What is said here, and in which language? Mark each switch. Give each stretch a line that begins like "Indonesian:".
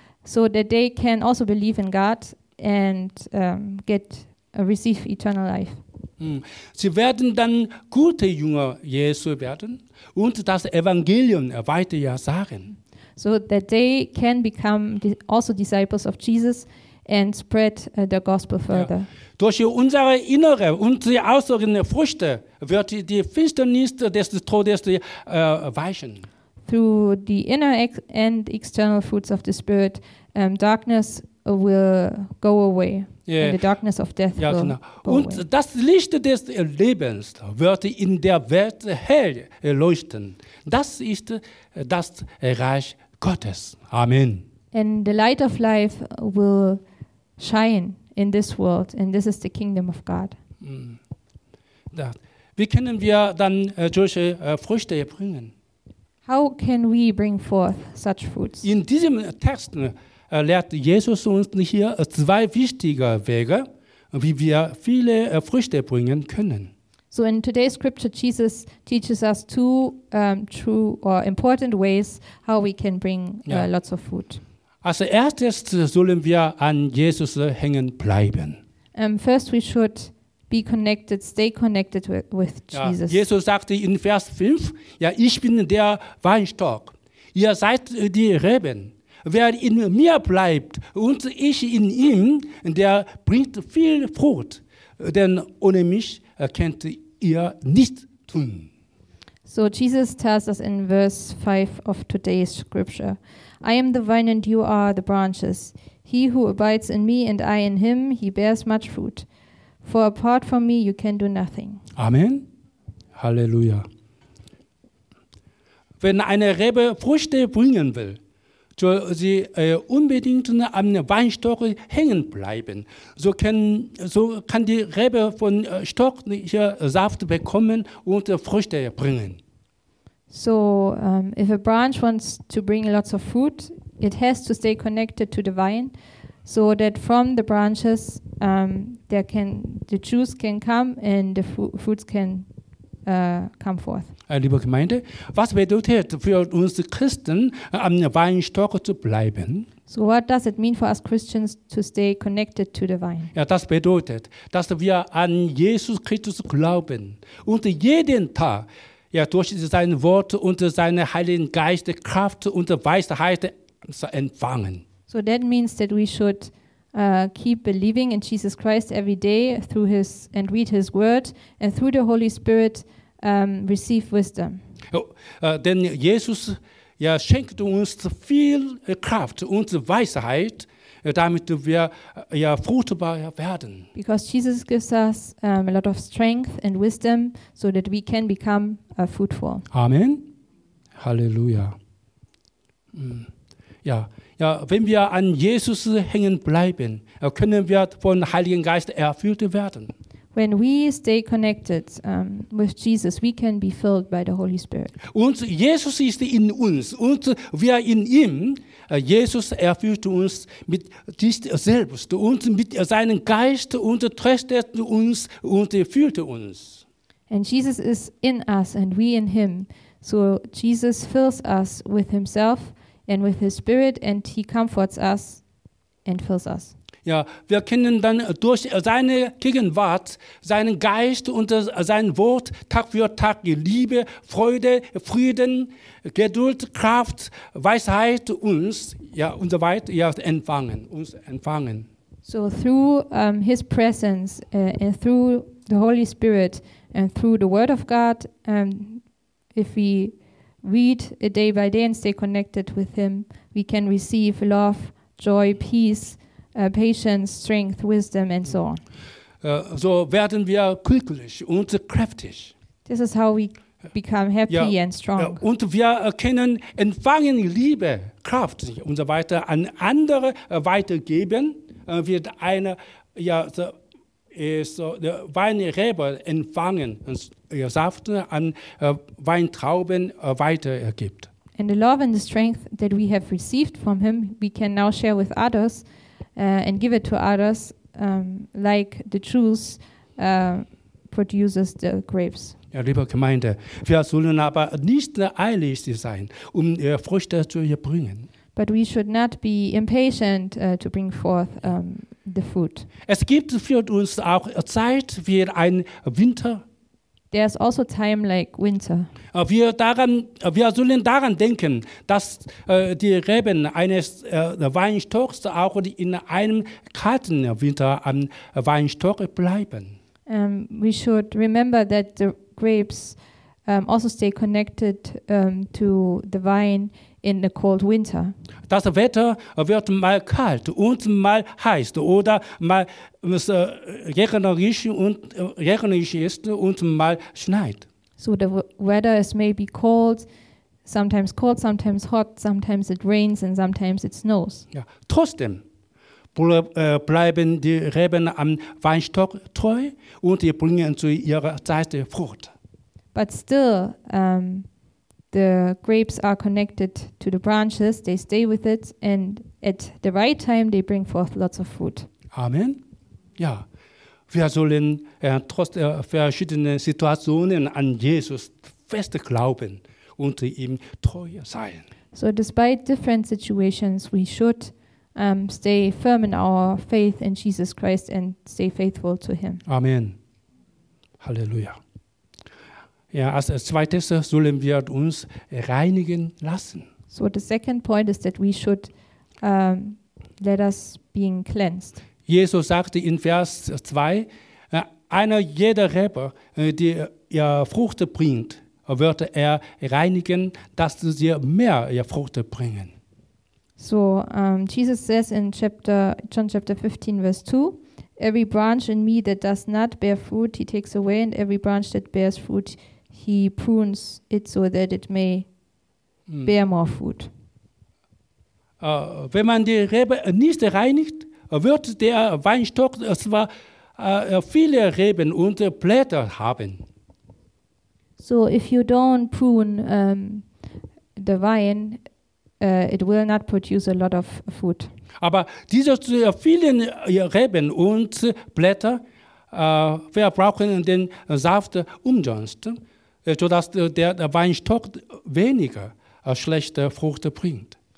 English: So that they can also believe in God and receive eternal life.
German: Sie werden dann gute Jünger Jesu werden und das Evangelium weiter sagen.
English: So that they can become also disciples of Jesus and spread the gospel further. Ja.
German: Durch unsere innere und die äußeren Früchte wird die Finsternis des Todes weichen.
English: Through the inner and external fruits of the Spirit, darkness will go away. Yeah. And the darkness of death will go away.
German: Und das Licht des Lebens wird in der Welt hell leuchten. Das ist das Reich Gottes. Amen.
English: And the light of life will shine in this world. And this is the kingdom of God.
German: Wie können wir dann solche Früchte bringen?
English: How can we bring forth such fruits?
German: In diesem Text lehrt Jesus uns hier zwei wichtige Wege, wie wir viele Früchte bringen können.
English: So in today's scripture, Jesus teaches us two true or important ways how we can bring lots of fruit.
German: Als erstes sollen wir an Jesus hängen bleiben.
English: First we should be connected, stay connected with Jesus.
German: Ja, Jesus sagte in Vers 5, ja, ich bin der Weinstock, ihr seid die Reben. Wer in mir bleibt und ich in ihm, der bringt viel Frucht, denn ohne mich könnt ihr nichts tun.
English: So Jesus tells us in verse 5 of today's scripture, I am the vine and you are the branches. He who abides in me and I in him, he bears much fruit. For apart from me, you can do nothing. Amen. Halleluja.
German: Wenn eine Rebe Früchte bringen will, soll sie unbedingt am Weinstock hängen bleiben. So kann die Rebe von Stock hier Saft bekommen und Früchte bringen.
English: So, if a branch wants to bring lots of fruit, it has to stay connected to the vine, so that from the branches the juice can come and the fruits can come forth.
German: Liebe Gemeinde, was bedeutet für uns Christen, am Weinstock zu bleiben?
English: So, what does it mean for us Christians to stay connected to the vine?
German: Ja, das bedeutet, dass wir an Jesus Christus glauben und jeden Tag durch sein Wort und seine Heiligen Geist Kraft und Weisheit empfangen.
English: So that means that we should keep believing in Jesus Christ every day through his and read his word and through the Holy Spirit receive wisdom.
German: Denn Jesus schenkt uns viel Kraft und Weisheit, damit wir fruchtbar werden.
English: Because Jesus gives us a lot of strength and wisdom so that we can become fruitful. Amen. Halleluja.
German: Wenn wir an Jesus hängen bleiben, können wir von Heiligen Geist erfüllt werden.
English: When we stay connected with Jesus, we can be filled by the Holy Spirit.
German: Und Jesus ist in uns und wir in ihm. Jesus erfüllt uns mit sich selbst und mit seinem Geist und tröstet uns und erfüllt uns.
English: And Jesus is in us and we in him. So Jesus fills us with himself and with his spirit and he comforts us and fills us.
German: Ja, wir können dann durch seine Gegenwart, seinen Geist und sein Wort Tag für Tag Liebe, Freude, Frieden, Geduld, Kraft, Weisheit uns und so weiter empfangen.
English: So through his presence and through the Holy Spirit and through the Word of God, if we read it day by day and stay connected with him, we can receive love, joy, peace, patience, strength, wisdom, and so on.
German: So werden wir glücklich und kräftig.
English: This is how we become happy and strong.
German: Und wir können empfangen Liebe, Kraft und so weiter an andere weitergeben, wird eine Weinrebe empfangen, Saft an Weintrauben weitergibt.
English: And the love and the strength that we have received from him, we can now share with others. And give it to others, like the juice produces the grapes.
German: Ja, liebe Gemeinde, wir sollen aber nicht eilig sein, um Früchte zu bringen.
English: But we should not be impatient to bring forth the fruit.
German: Es gibt für uns auch Zeit wie ein Winter.
English: There is also time like winter.
German: Wir sollen daran denken, dass die Reben eines Weinstocks auch in einem kalten Winter am Weinstock bleiben.
English: We should remember that the grapes also stay connected to the vine in the cold winter.
German: Das Wetter wird mal kalt und mal heiß oder mal regnerisch ist und mal schneit.
English: So the weather is maybe cold, sometimes hot, sometimes it rains and sometimes it snows.
German: Ja, trotzdem bleiben die Reben am Weinstock treu und sie bringen zu ihrer Zeit Frucht.
English: But still, the grapes are connected to the branches, they stay with it, and at the right time, they bring forth lots of fruit. Amen. Ja.
German: wir sollen trotz verschiedenen Situationen an Jesus fest glauben und ihm treu sein.
English: So despite different situations, we should stay firm in our faith in Jesus Christ and stay faithful to him. Amen. Halleluja.
German: Ja, als zweites sollen wir uns reinigen lassen.
English: So the second point is that we should let us being cleansed.
German: Jesus sagte in Vers 2, einer jeder Rebe, die ihr Frucht bringt, wird er reinigen, dass sie mehr ihr Frucht bringen.
English: So Jesus says in John chapter 15 verse 2, every branch in me that does not bear fruit, he takes away, and every branch that bears fruit, he prunes it so that it may bear more fruit.
German: Wenn man die Rebe nicht reinigt, wird der Weinstock zwar viele Reben und Blätter haben.
English: So if you don't prune the vine, it will not produce a lot of fruit.
German: Aber diese vielen Reben und Blätter verbrauchen den Saft umsonst, sodass der Weinstock weniger schlechte Frucht bringt.